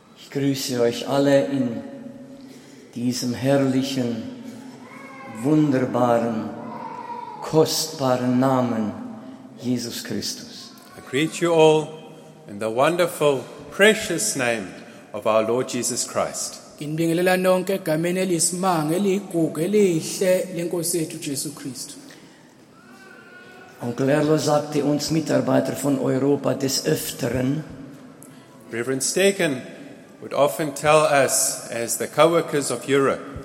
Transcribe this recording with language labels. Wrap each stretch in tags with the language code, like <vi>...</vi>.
<de>grüße euch alle in diesem herrlichen, wunderbaren, kostbaren Namen Jesus Christus.</de> <en>I greet you all in the wonderful, precious name of our Lord Jesus Christ.</en> <de>Onkel Erlo sagte uns Mitarbeiter von Europa des Öfteren.</de> <en>Reverend Staken would often tell us as the co-workers of Europe.</en>